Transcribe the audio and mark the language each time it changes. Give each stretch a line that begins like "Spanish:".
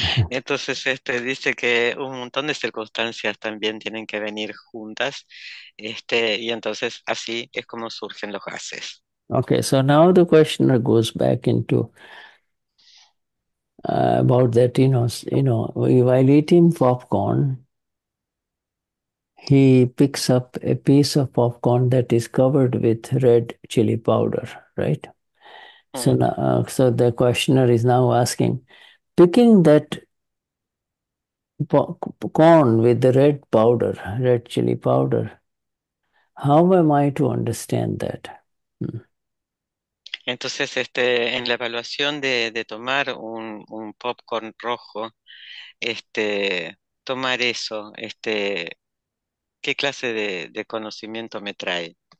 Spanish: Entonces, dice que un montón de circunstancias también tienen que venir juntas, y entonces así es como surgen los gases.
English: Okay, so now the questioner goes back into about that, while eating popcorn, he picks up a piece of popcorn that is covered with red chili powder, right? So now, so the questioner is now asking, picking that popcorn with the red powder, red chili powder, how am I to understand that?
Spanish: Entonces, en la evaluación de tomar un popcorn rojo, tomar eso, ¿qué clase de conocimiento me trae?